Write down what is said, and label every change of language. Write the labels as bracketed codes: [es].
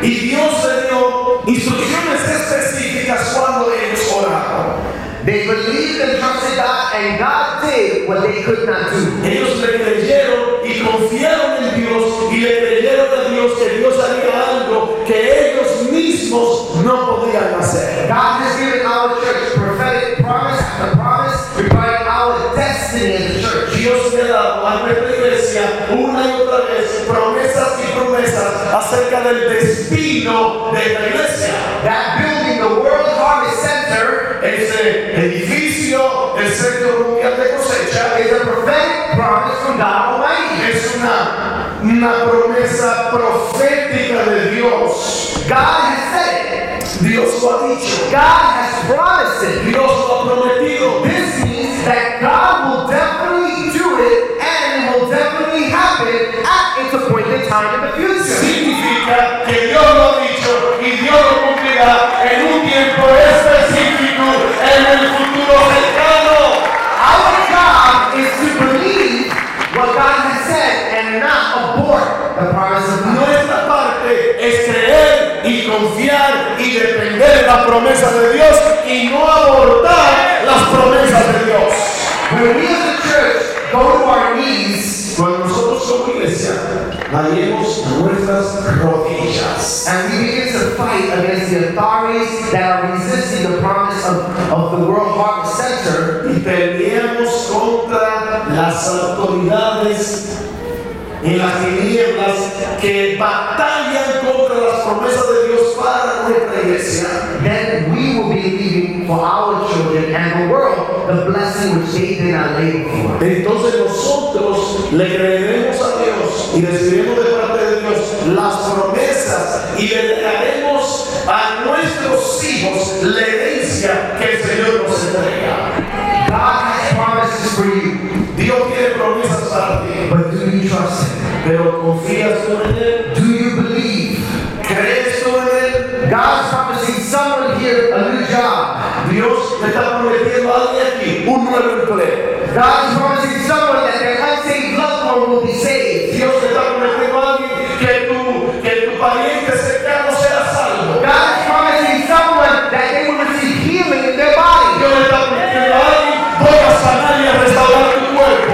[es] Y Dios le dio instrucciones específicas cuando ellos oraron. [en] They believed and trusted God, and God did what they could not do. [es] Ellos le creyeron y confiaron en Dios y le creyeron a Dios que Dios haría algo que ellos mismos no podían hacer. [en] God has given our church prophetic promise after promise regarding our destiny in the church. [es] Dios le ha dado a nuestra iglesia una y otra vez promesas acerca del destino de la iglesia. [en] That building, the World Harvest Center, [es] ese edificio, el centro mundial de cosecha, [en] is a prophetic promise from God Almighty. [es] Es una promesa profética de Dios. [en] God has said it. [es] Dios lo ha dicho. [en] God has promised it. [es] Dios lo ha prometido. [en] This means that God will definitely do it and it will definitely happen at its appointed time in the future. [es] Que Dios lo ha dicho y Dios lo cumplirá en un tiempo específico en el futuro cercano. [en] Our job is to believe what God has said and not abort the promise of God. [es] Nuestra parte es creer y confiar y depender de la promesa de Dios y no abortar las promesas de Dios. [en] When we as a church go to our knees, [es] cuando nosotros somos iglesia, vayamos nuestras rodillas. [en] And we begin to fight against the authorities that are resisting the promise of the World Heart Center. [es] Y peleamos contra las autoridades y las tinieblas que batallan contra las promesas de Dios para nuestra iglesia. [en] Then we will be leaving for our children and the world the blessing which they did not labor for. [es] Entonces nosotros le creeremos a Dios y recibiremos de parte de Dios las promesas y le daremos a nuestros hijos la herencia que el Señor nos entrega. [en] God has promises for you. [es] Dios tiene promesas para ti. [en] But do you trust him? [es] Pero ¿Confías tú en él? [en] Do you believe? [es] ¿Crees tú en él? [en] God's promising someone here a new job. [es] Dios le está prometiendo a alguien aquí un nuevo empleo. [en] God's promising someone that their unsaved loved one will be saved. [es] Dios le está prometiendo a alguien que tu pariente cercano será salvo. [en] God's promising someone that they will receive healing in their body. [es] Dios le está prometiendo a alguien, voy a sanar y a restaurar tu cuerpo.